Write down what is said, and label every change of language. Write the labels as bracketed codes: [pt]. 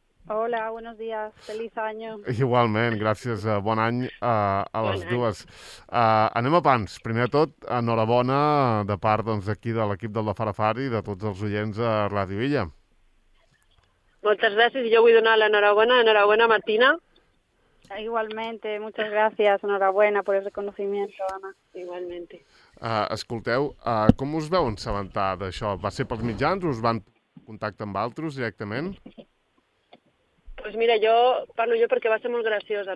[es] Hola, buenos días, feliz año. [ca] Igualment, gràcies, bon any a les dues. Anem a pams. Primer de tot, enhorabona de part doncs, aquí de l'equip del de Farafar i de tots els oients a Ràdio Illa. Moltes gràcies, jo vull donar l'enhorabona. Enhorabona, Martina. [es] Igualmente, muchas gracias, enhorabuena por el reconocimiento, Ana. Igualmente. [ca] Escolteu, com us veu assabentar d'això? Va ser pels mitjans o us van contactar amb altres directament? [es] Pues mira, [ca] jo parlo jo perquè va ser molt graciós.